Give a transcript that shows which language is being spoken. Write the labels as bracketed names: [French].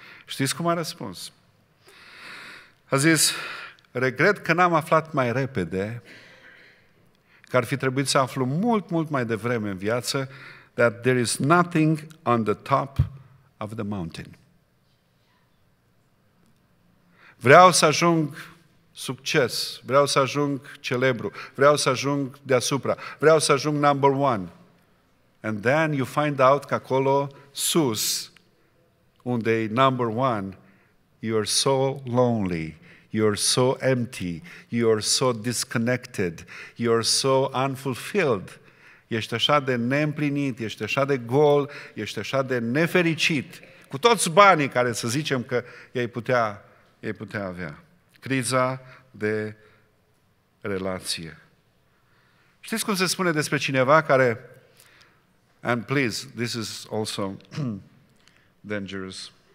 [Romanian] Știți cum a răspuns? A zis, regret că n-am aflat mai repede că ar fi trebuit să aflu mult, mult mai devreme în viață [English] that there is nothing on the top of the mountain. [Romanian] Vreau să ajung succes, vreau să ajung celebru, vreau să ajung deasupra, vreau să ajung number one. [English] And then you find out [Romanian] că acolo sus, unde e [English] number one, you're so lonely, you're so empty, you're so disconnected, you're so unfulfilled. [Romanian] Ești așa de neîmplinit, ești așa de gol, ești așa de nefericit. Cu toți banii care să zicem că ei putea avea. Criza de relație. Știți cum se spune despre cineva care... [English] And please, this is also dangerous.